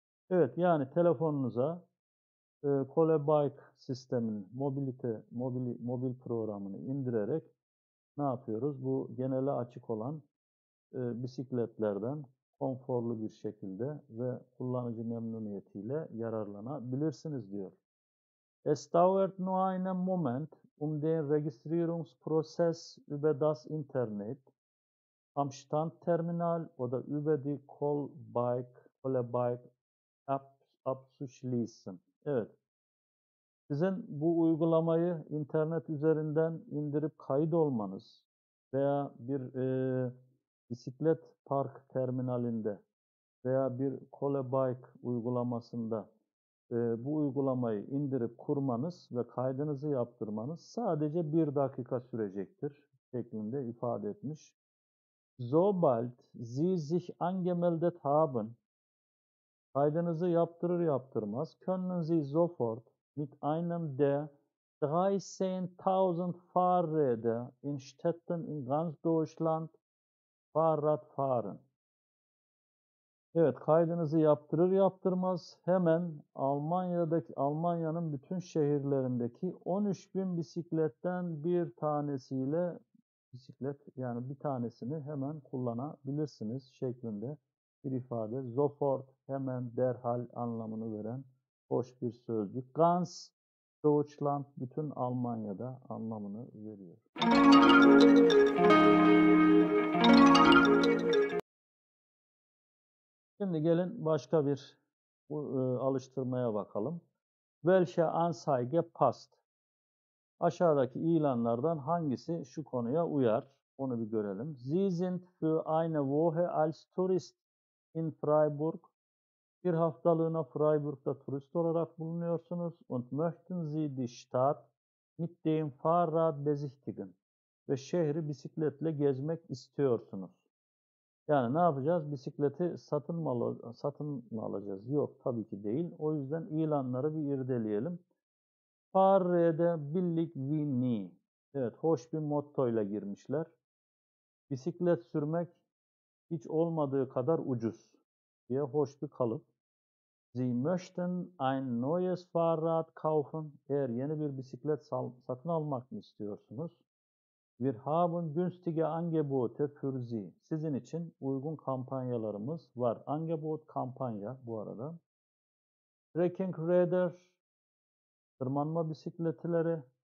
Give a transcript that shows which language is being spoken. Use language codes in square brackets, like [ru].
[tr] Evet, yani telefonunuza Call a Bike sisteminin mobil programını indirerek ne yapıyoruz? Bu genele açık olan bisikletlerden konforlu bir şekilde ve kullanıcı memnuniyetiyle yararlanabilirsiniz diyor. [de] Es dauert nur einen Moment, den Registrierungsprozess über das Internet am Standterminal oder über die Call a Bike App abzuschließen. [tr] Evet. Sizin bu uygulamayı internet üzerinden indirip kayıt olmanız veya bir bisiklet park terminalinde veya bir Call a Bike uygulamasında bu uygulamayı indirip kurmanız ve kaydınızı yaptırmanız sadece 1 dakika sürecektir şeklinde ifade etmiş. [de] Sobald Sie sich angemeldet haben, [tr] kaydınızı yaptırır yaptırmaz, [de] können Sie sofort mit einem der 13.000 Fahrräder in Städten in ganz Deutschland Fahrrad fahren. [tr] Evet, kaydınızı yaptırır yaptırmaz hemen Almanya'nın bütün şehirlerindeki 13 bin bisikletten bir tanesiyle bisiklet, yani bir tanesini hemen kullanabilirsiniz şeklinde bir ifade. Sofort, hemen, derhal anlamını veren hoş bir sözcük. [de] Ganz Deutschland, [tr] bütün Almanya'da anlamını veriyor. Şimdi gelin başka bir alıştırmaya bakalım. [de] Welche Anzeige passt? [tr] Aşağıdaki ilanlardan hangisi şu konuya uyar? Onu bir görelim. [de] Sie sind für eine Woche als Tourist in Freiburg. [tr] Bir haftalığına Freiburg'da turist olarak bulunuyorsunuz. [de] Und möchten Sie die Stadt mit dem Fahrrad besichtigen? [tr] Ve şehri bisikletle gezmek istiyorsunuz. Yani ne yapacağız? Bisikleti satın mı alacağız? Yok, tabii ki değil. O yüzden ilanları bir irdeleyelim. [de] Fahrräder billig wie nie. [tr] Evet, hoş bir mottoyla girmişler. Bisiklet sürmek hiç olmadığı kadar ucuz diye hoş bir kalıp. [de] Sie möchten ein neues Fahrrad kaufen. [tr] Eğer yeni bir bisiklet satın almak mı istiyorsunuz? [de] Wir haben günstige Angebote für Sie. [tr] Sizin için uygun kampanyalarımız var. Angebot, kampanya bu arada. Trekkingräder, tırmanma bisikletleri.